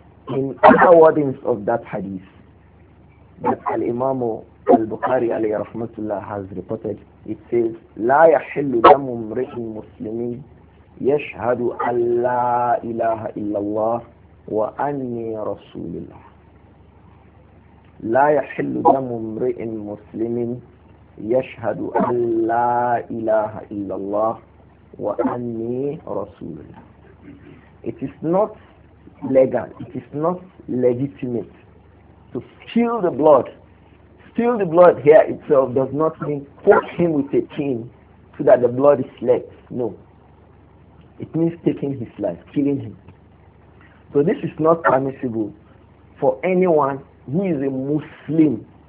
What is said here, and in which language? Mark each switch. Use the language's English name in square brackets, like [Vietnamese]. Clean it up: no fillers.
[English] In other wordings of that hadith that Al-Imam Al-Bukhari alayhi rahmatullah has reported, it says, [Arabic] La yahillu damu imri'in muslimin يشهد أن لا إله إلا الله وأني رسول الله. لا يحل دم امرئ مسلم يشهد أن لا إله إلا الله وأني رسول الله. [English] It is not legal, it is not legitimate to steal the blood. Steal the blood here itself does not mean poke him with a chain so that the blood is let. No. It means taking his life, killing him. So this is not permissible for anyone who is a Muslim.